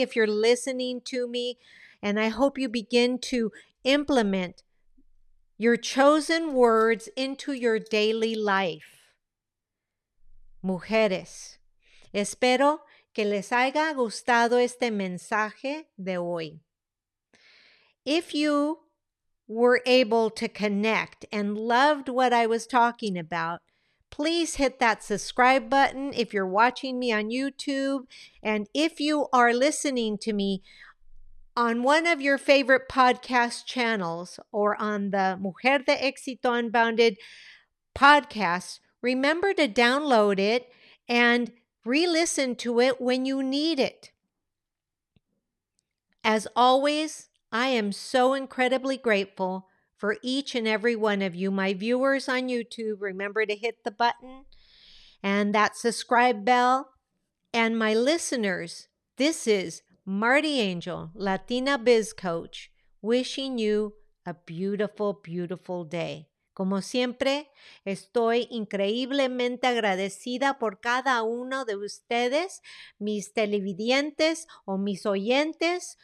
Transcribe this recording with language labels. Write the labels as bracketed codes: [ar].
[en] If you're listening to me, and I hope you begin to implement your chosen words into your daily life. [es] Mujeres, espero que les haya gustado este mensaje de hoy. [en] If you were able to connect and loved what I was talking about, please hit that subscribe button if you're watching me on YouTube. And if you are listening to me on one of your favorite podcast channels or on the Mujer de Éxito Unbounded podcast, remember to download it and re-listen to it when you need it. As always, I am so incredibly grateful for each and every one of you, my viewers on YouTube. Remember to hit the button and that subscribe bell. And my listeners, this is Marty Angel, Latina Biz Coach, wishing you a beautiful, beautiful day. [es] Como siempre, estoy increíblemente agradecida por cada uno de ustedes, mis televidentes o mis oyentes.